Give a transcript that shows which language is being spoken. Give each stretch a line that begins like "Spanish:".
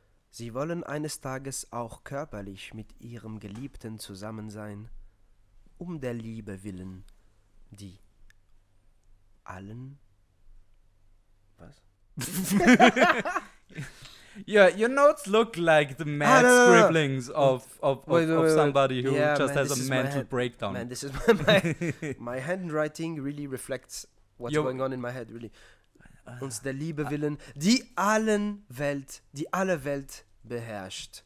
German: Sie wollen eines Tages auch körperlich mit ihrem Geliebten zusammen sein, um der Liebe willen, die allen... Was?
English: Yeah, your notes look like the mad scribblings of somebody who has a mental breakdown. Man, this is my handwriting really reflects what's going on in my head, really.
German: Uns der Liebe willen, die alle Welt beherrscht.